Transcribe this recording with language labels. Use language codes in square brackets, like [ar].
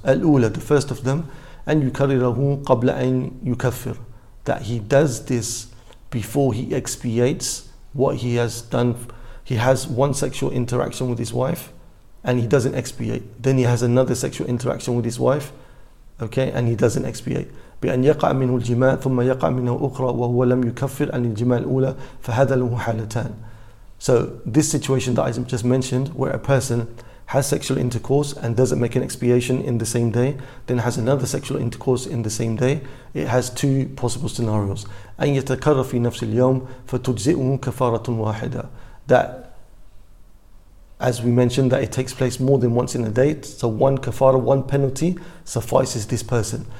[en] Al-Ula, the first of them, [ar] أن يكرره قبل أن يكفر, [en] that he does this before he expiates what he has done. He has one sexual interaction with his wife and he doesn't expiate. Then he has another sexual interaction with his wife, okay, and he doesn't expiate. [ar] بأن يقع منه الجماع ثم يقع منه أخرى وهو لم يكفر عن الجماع الأولى فهذا له حالتان. [en] So this situation that I just mentioned, where a person has sexual intercourse and doesn't make an expiation in the same day, then has another sexual intercourse in the same day, it has two possible scenarios. [ar] أن يتكرر في نفس اليوم فتجزئه كفارة واحدة, [en] that, as we mentioned, that it takes place more than once in a day, so one kafara, one penalty, suffices this person.